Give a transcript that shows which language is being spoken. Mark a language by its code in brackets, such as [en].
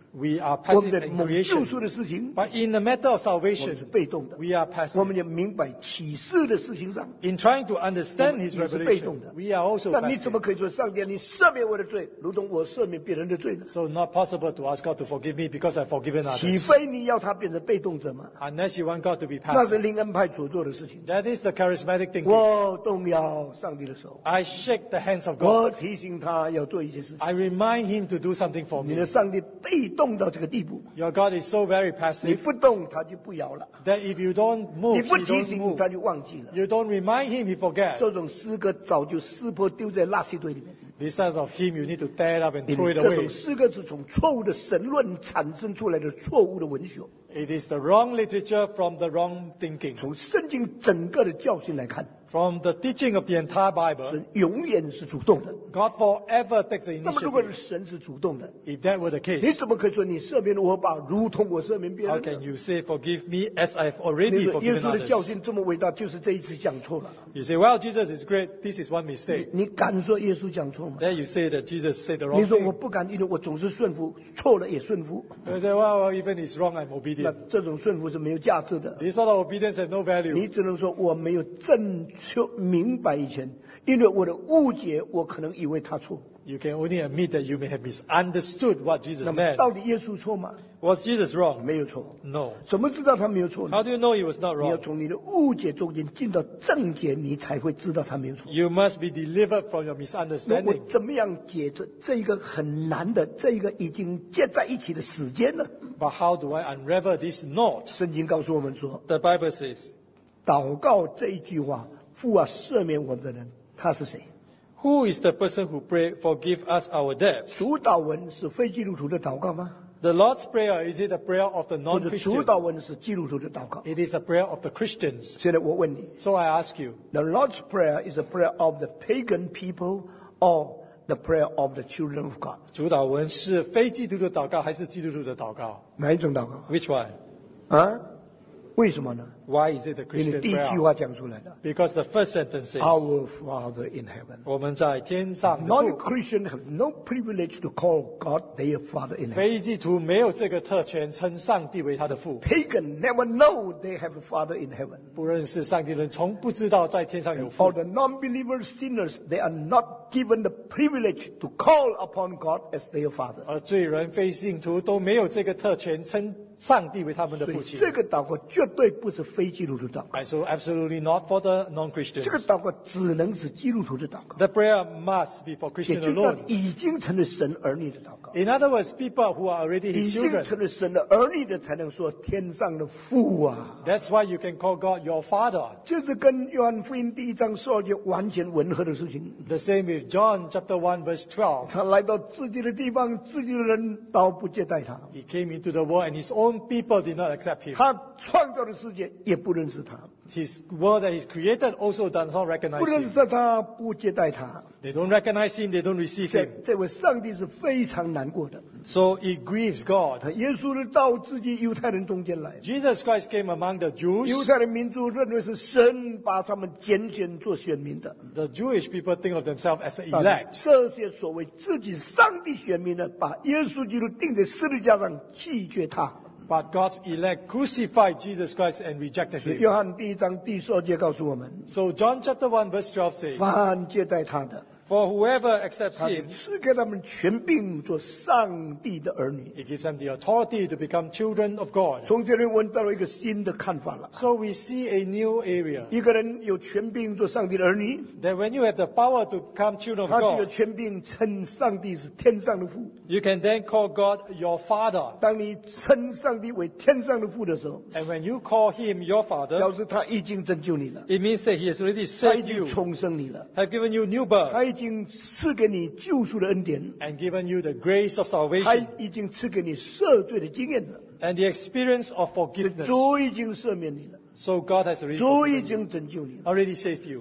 [en] We are passive in creation. But in the matter of salvation, we are passive. [zh] 我们也明白启示的事情上， [en] in trying to understand His revelation, we are also passive. [zh] 那你怎么可以说，上帝，你赦免我的罪，如同我赦免别人的罪呢？ [en] So not possible to ask God to forgive me because I've forgiven others. [zh] 岂非你要他变成被动者吗？ [en] Unless you want God to be passive. [zh] 那是灵恩派所做的事情。 [en] That is the charismatic thinking. [zh] 我动摇上帝的手。 [en] I shake the hands of God. [zh] 我提醒他要做一些事情。 [en] I remind Him to do something for me. [zh] 你的上帝被动。 [en] Your God is so very passive. [zh] 你不动，他就不摇了。 [en] That if you don't move, [zh] 你不提醒他就忘记了。 [en] You don't remind him, he forgets. [zh] 这种诗歌早就撕破丢在垃圾堆里面。 [en] This type of hymn you need to tear up and throw it away. [zh] 这种诗歌是从错误的神论产生出来的错误的文学。 [en] It is the wrong literature from the wrong thinking. [zh] 从圣经整个的教训来看。 [en] From the teaching of the entire Bible, [zh] 神永远是主动的。 [en] God forever takes the initiative. [zh] 那么，如果神是主动的 [en] ，If that were the case, [zh] 你怎么可以说你赦免我吧，如同我赦免别人 [en] ？How can you say forgive me as I've already forgiven others? [zh] 耶稣的教训这么伟大，就是这一次讲错了。 [en] You say, well, Jesus is great. This is one mistake. [zh] 你敢说耶稣讲错吗 [en] ？Then you say that Jesus said the wrong thing. [zh] 你说我不敢，因为我总是顺服，错了也顺服。 [en] You say, well, even it's wrong, I'm obedient. [zh] 那这种顺服是没有价值的。 [en] This sort of obedience has no value. [zh] 你只能说我没有正确明白以前，因为我的误解，我可能以为他错。 [en] You can only admit that you may have misunderstood what Jesus meant. [zh] 那么到底耶稣错吗？ [en] Was Jesus wrong? [zh] 没有错。 [en] No. [zh] 怎么知道他没有错呢？ [en] How do you know he was not wrong? [zh] 你要从你的误解中间进到正解，你才会知道他没有错。 [en] You must be delivered from your misunderstanding. [zh] 那我怎么样解决这一个很难的，这一个已经结在一起的时间呢？ [en] But how do I unravel this knot? [zh] 圣经告诉我们说， [en] The Bible says, [zh] 祷告这一句话，父啊赦免我们的人，他是谁？ [en] Who is the person who pray, forgive us our debts? [zh] 主祷文是非基督徒的祷告吗？ [en] The Lord's Prayer, is it a prayer of the non-Christian? [zh] 或者主祷文是基督徒的祷告？ [en] It is a prayer of the Christians. [zh] 现在我问你。 [en] So I ask you. The Lord's Prayer is a prayer of the pagan people or the prayer of the children of God? [zh] 主祷文是非基督徒祷告还是基督徒的祷告？哪一种祷告？ [en] Which one? [zh] 啊？为什么呢？ [en] Why is it the Christian prayer? [zh] 因为第一句话讲出来的。 [en] Because the first sentence is Our Father in heaven. [zh] 我们在天上。 [en] Non-Christian have no privilege to call God their Father in heaven. [zh] 非基督没有这个特权称上帝为他的父。 [en] Pagan never know they have a Father in heaven. [zh] 不认识上帝人从不知道在天上有父。 [en] For the non-believer sinners, they are not given the privilege to call upon God as their Father. [zh] 而罪人非信徒都没有这个特权称上帝为他们的父亲。所以这个祷告绝对不是非基督徒祷告。 [en] So absolutely not for the non-Christians. [zh] 这个祷告只能是基督徒的祷告。 [en] The prayer must be for Christian alone. [zh] 也就是已经成了神儿女的祷告。 [en] In other words, people who are already His children. [zh] 已经成了神的儿女的才能说天上的父啊。 [en] That's why you can call God your Father. [zh] 就是跟约翰福音第一章说的完全吻合的事情。 [en] The same with John chapter 1 verse 12. [zh] 他来到自己的地方，自己的人都不接待他。 [en] He came into the world and His own people did not accept him. [zh] 他创造的世界也不认识他。 [en] His world that he's created also does not recognize him. [zh] 不认识他，不接待他。 [en] They don't recognize him. They don't receive him. [zh] 这位上帝是非常难过的。 [en] So it grieves God. [zh] 耶稣到自己犹太人中间来。 [en] Jesus Christ came among the Jews. [zh] 犹太人民族认为是神把他们拣选做选民的。 [en] The Jewish people think of themselves as elect. [zh] 这些所谓自己上帝选民的，把耶稣基督钉在十字架上，拒绝他。 [en] But God's elect crucified Jesus Christ and rejected him. [zh] 约翰第一章第十二节告诉我们。 [en] So John chapter 1 verse 12 says, [zh] 凡接待他的。 [en] For whoever accepts him, [zh] 他赐给他们权柄做上帝的儿女, [en] he gives them the authority to become children of God. [zh] 从这里我们到了一个新的看法了, [en] so we see a new area. [zh] 一个人有权柄做上帝的儿女, [en] that when you have the power to become children of God, [zh] 他就有权柄称上帝是天上的父, [en] you can then call God your father. [zh] 当你称上帝为天上的父的时候, [en] and when you call him your father, [zh] 表示他已经拯救你了, [en] it means that he has already saved you, [zh] 他已经重生你了, [en] have given you new birth, [zh] 他已经赐给你救赎的恩典, [en] and given you the grace of salvation, [zh] 他已经赐给你赦罪的经验了, [en] and the experience of forgiveness, [zh] 主已经赦免你了, [en] so God has already saved you,